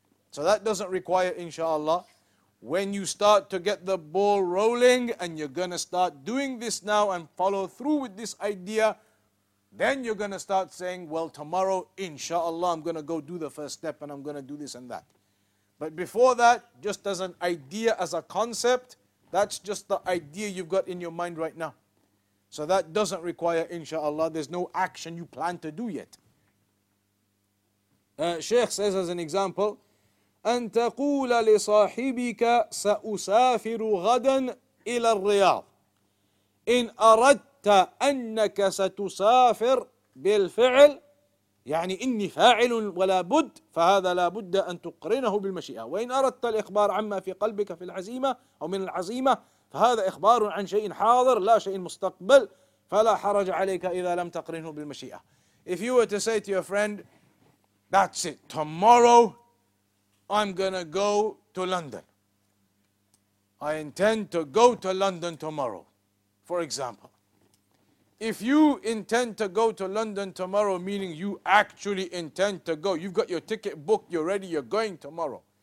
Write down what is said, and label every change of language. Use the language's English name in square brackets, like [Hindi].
[English] So that doesn't require, inshallah. When you start to get the ball rolling and you're going to start doing this now and follow through with this idea, then you're going to start saying, well, tomorrow, inshallah, I'm going to go do the first step and I'm going to do this and that. But before that, just as an idea, as a concept, that's just the idea you've got in your mind right now. So that doesn't require, inshallah, there's no action you plan to do yet. Sheikh says as an example, [Arabic] أن تقول لصاحبك سأسافر غدا إلى الرياض إن أردت أنك ستسافر بالفعل يعني إني فاعل ولا بد فهذا لا بد أن تقرنه بالمشيئة وإن أردت الإخبار عما في قلبك في العزيمة أو من العزيمة فهذا إخبار عن شيء حاضر لا شيء مستقبل فلا حرج عليك إذا لم تقرنه بالمشيئة. [English] If you were to say to your friend, that's it, tomorrow I'm going to go to London. I intend to go to London tomorrow, for example. If you intend to go to London tomorrow, meaning you actually intend to go, you've got your ticket booked, you're ready, you're going tomorrow.